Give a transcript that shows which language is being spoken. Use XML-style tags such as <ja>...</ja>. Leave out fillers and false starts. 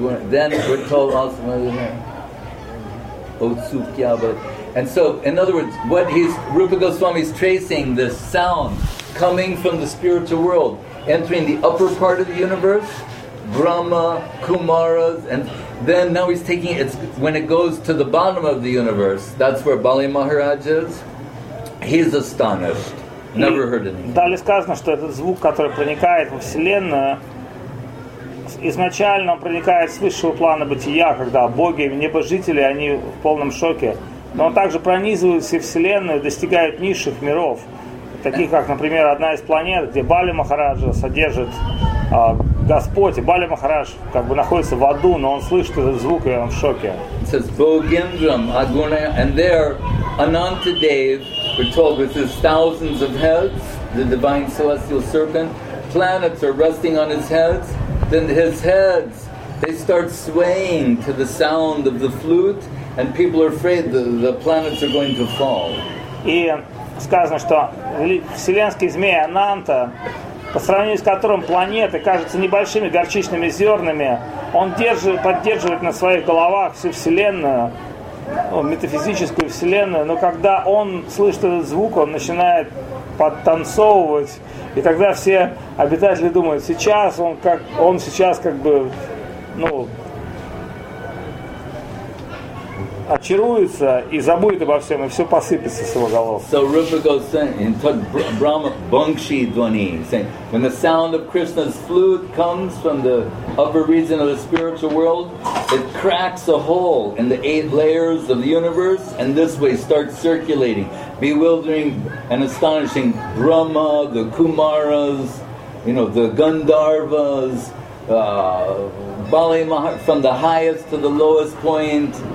<en>Then we're told also Otsukya, but and so, in other words, what he's Rupa Goswami is tracing the sound coming from the spiritual world, entering the upper part of the universe, Brahma, Kumaras, and then now he's taking it, when it goes to the bottom of the universe, that's where Bali Maharaj is, he's astonished. Never heard anything.</en> <ru>Далее сказано, что этот звук, который проникает во Вселенную, изначально он проникает с высшего плана бытия, когда боги, небожители, они в полном шоке. Но он также пронизывает всю Вселенную, достигает низших миров, таких как, например, одна из планет, где Бали Махараджа содержит Господь. И Бали Махарадж как бы находится в аду, но он слышит этот звук, и он в шоке.</ru> <en>It says, Bogindram, Agunaya, and there, Anantadev, we're told, with his thousands of heads, the divine celestial serpent, planets are resting on his heads, then his heads, they start swaying to the sound of the flute, and people are afraid the planets are going to fall.</en> <ru>И сказано, что вселенский змей Ананта, по сравнению с которым планеты кажутся небольшими горчичными зернами, он поддерживает на своих головах всю вселенную, метафизическую вселенную, но когда он слышит этот звук, он начинает подтанцовывать, и тогда все обитатели думают, сейчас он как, он сейчас как бы, ну, очаруется и забудет обо всем, и все посыпется с его голов.</ru> <en>So Rupa goes saying, in Brahma Bhangshi Dvani, saying, when the sound of Krishna's flute comes from the upper region of the spiritual world, it cracks a hole in the eight layers of the universe, and this way starts circulating, bewildering and astonishing Brahma, the Kumaras, you know, the Gandharvas, Bali Mahar, from the highest to the lowest point.</en>